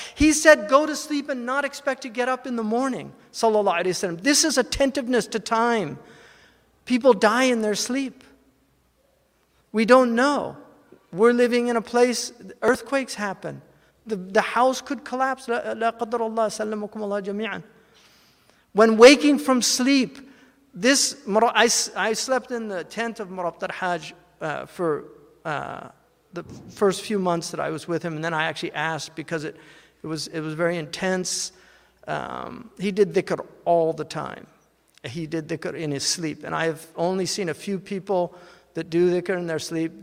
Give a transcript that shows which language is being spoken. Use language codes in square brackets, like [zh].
[en] He said, go to sleep and not expect to get up in the morning, sallallahu alayhi wa sallam. This is attentiveness to time. People die in their sleep. We don't know. We're living in a place, earthquakes happen. The house could collapse. [ar] لا قدر الله سلمكم الله جميعا. [en] When waking from sleep, this I slept in the tent of Murabtar Hajj for the first few months that I was with him, and then I actually asked because it was very intense. He did dhikr all the time. He did dhikr in his sleep, and I have only seen a few people that do dhikr in their sleep.